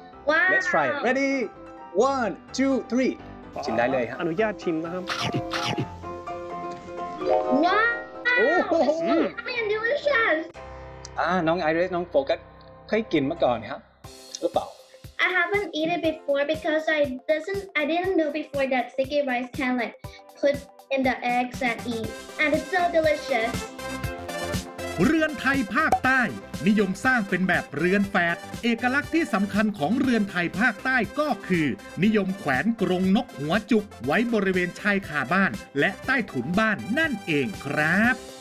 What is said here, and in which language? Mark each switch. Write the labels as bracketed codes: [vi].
[th] ว้าว [en] Let's try ready 1 2 3 [th] ชิมได้เลยฮะ อนุญาตชิมนะครับ ว้าว โอ้โห มันดีมากเลย น้องไอริสน้องโฟกัสเคยกินมาก่อนครับหรือเปล่า [en] I haven't eaten before because I didn't know before that sticky rice can like put in the eggs and eat and it's so delicious [th] เรือนไทยภาคใต้นิยมสร้างเป็นแบบเรือนแฝดเอกลักษณ์ที่สำคัญของเรือนไทยภาคใต้ก็คือนิยมแขวนกรงนกหัวจุกไว้บริเวณชายคาบ้านและใต้ถุนบ้านนั่นเองครับ